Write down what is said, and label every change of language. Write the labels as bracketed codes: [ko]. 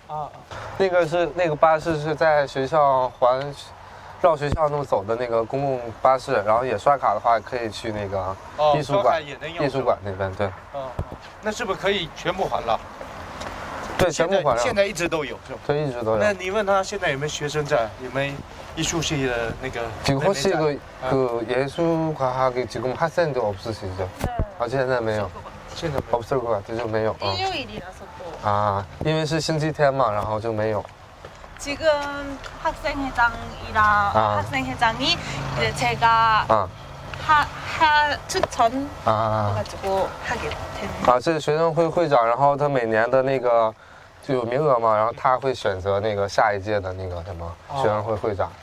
[zh] 啊，那个是那个巴士是在学校环绕学校那么走的那个公共巴士，然后也刷卡的话可以去那个艺术馆，艺术馆那边对。嗯，那是不是可以全部还了？对，全部还了。现在一直都有，是吧？对，一直都有。那你问他现在有没有学生在？有没有艺术系的那个？ [ko] 지금혹시그그예술과학이지금학생도없으시죠？ 네。 아직은 [zh] 没有。现在 [ko] 없을것같아 [zh] 就没有。 [ko] 일요일이라서또。 [zh] 아因为是星期天嘛，然后就没有。 [ko] 지금학생회장이랑학생회장이이제제가추천해가지고하게됐 [zh] 아这是学生会会长，然后他每年的那个就有名额嘛，然后他会选择那个下一届的那个什么学生会会长，